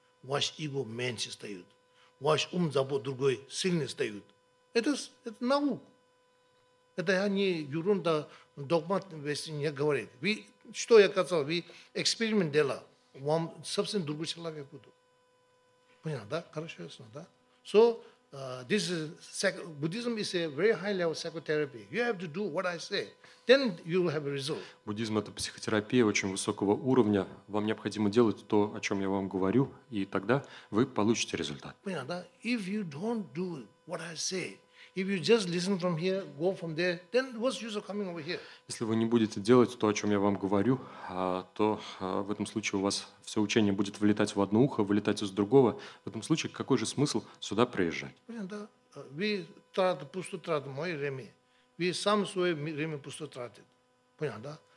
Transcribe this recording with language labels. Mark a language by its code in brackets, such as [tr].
[ru] Ваш эго меньше стоит. Ваш ум забот другой сильнее стоит. Это наука. Это не ерунда, догмат весь не говорит. Вы, что я сказал, вы эксперимент делали, вам совсем другой человек будет. Понятно, да? Хорошо, ясно, да? [en] So, this is, Buddhism is a very high level psychotherapy. You have to do what I say. Then you will have a result. [ru] Буддизм – это психотерапия очень высокого уровня. Вам необходимо делать то, о чем я вам говорю, и тогда вы получите результат. Понятно, да? [en] If you don't do what I say, if you just listen from here, go from there, then what's the use of coming over here? [ru] Если вы не будете делать то, о чем я вам говорю, то в этом случае у вас все учение будет вылетать в одно ухо, вылетать из другого. В этом случае какой же смысл сюда приезжать? Понятно, да? Вы тратите пустую трату, мое время. Вы сам свое время пустую тратите. Понятно, да?